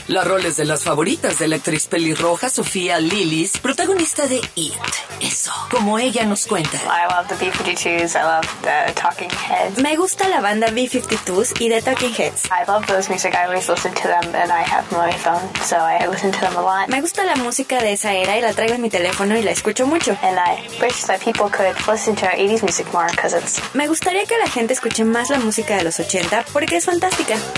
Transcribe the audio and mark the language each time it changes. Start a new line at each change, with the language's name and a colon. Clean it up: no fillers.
Spanish: La rol es de las favoritas de la actriz pelirroja Sofía Lillis, protagonista de It, eso, como ella nos cuenta.
English: I love the B-52s, I love the Talking Heads.
Spanish: Me gusta la banda B-52s y The Talking Heads.
English: I love those music, I always listen to them and I have my phone, so I listen to them a lot.
Spanish: Me gusta la música de esa era y la traigo en mi teléfono y la escucho mucho.
English: And I wish that people could listen to 80s music more, because it's...
Spanish: Me gustaría que la gente escuche más la música de los 80 porque es fantástica.